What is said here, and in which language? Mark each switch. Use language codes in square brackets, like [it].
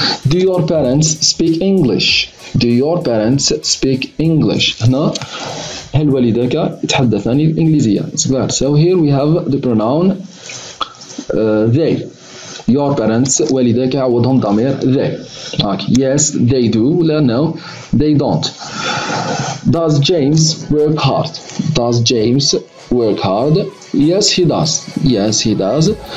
[en] Do your parents speak English? Do your parents speak English? No. [ar] هل والدك يتحدثان الإنجليزية? [en] It's clear. So here we have the pronoun. They, your parents, [ar] والدك عوضهم ضمير [en] they. Okay. Yes, they do. No, they don't. Does James work hard? Does James work hard? Yes, he does. Yes, he does.